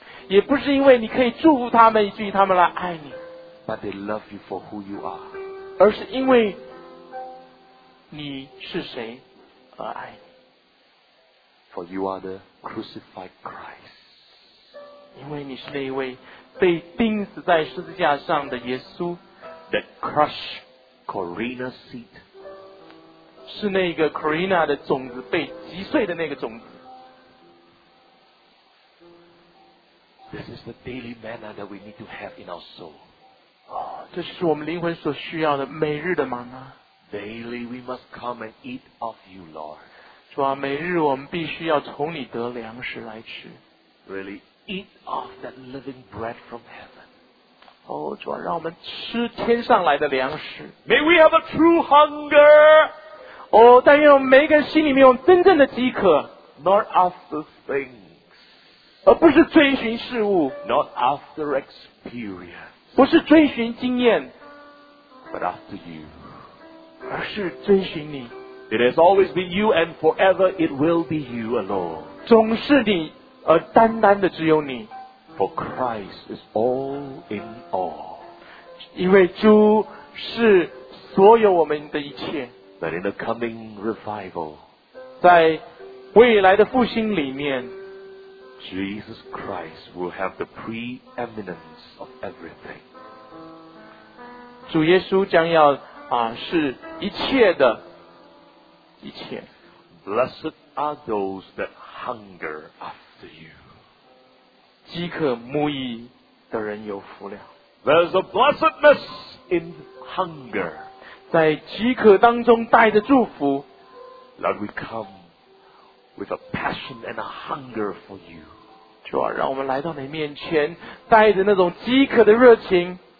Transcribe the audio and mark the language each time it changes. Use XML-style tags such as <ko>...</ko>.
<zh>也不是因为你可以祝福他们，以至于他们来爱你。</zh> <en>But they love you for who you are.</en> <zh>而是因为你是谁而爱你。</zh> <en>For you are the crucified Christ.</en> <zh>因为你是那一位被钉死在十字架上的耶稣。</zh> <en>The crushed Corina's seed.</en> <zh>是那个 Corina 的种子被击碎的那个种子。</zh> <en>This is the daily manna that we need to have in our soul.</en> <zh>这是我们灵魂所需要的每日的manna。</zh> <en>Daily we must come and eat of you, Lord.</en> <zh>主啊，每日我们必须要从你得粮食来吃。</zh> <en>Really, eat of that living bread from heaven.</en> <zh>主啊，让我们吃天上来的粮食。</zh> <en>May we have a true hunger.</en> <zh>但愿我们每一个人心里面有真正的饥渴。</zh> <en>Not after things.</en> <zh>而不是追寻事物</zh> <en>，not after experience，</en> <zh>不是追寻经验</zh> <en>，but after you，</en> <zh>而是追寻你。</zh> <en>It has always been you, and forever it will be you alone。</en> <zh>总是你，而单单的只有你。</zh> <en>For Christ is all in all，</en> <zh>因为主是所有我们的一切。</zh> <en>But in the coming revival，</en> <zh>在未来的复兴里面。</zh> <en>Jesus Christ will have the preeminence of everything.</en> <zh>主耶稣将要是一切的一切。</zh> <en>Blessed are those that hunger after you.</en> <zh>饥渴慕义的人有福了。</zh> <en>There's a blessedness in hunger.</en> <zh>在饥渴当中带着祝福。</zh> <en>Lord, we come with a passion and a hunger for you.</en> <zh>主啊，让我们来到你面前，带着那种饥渴的热情。</zh>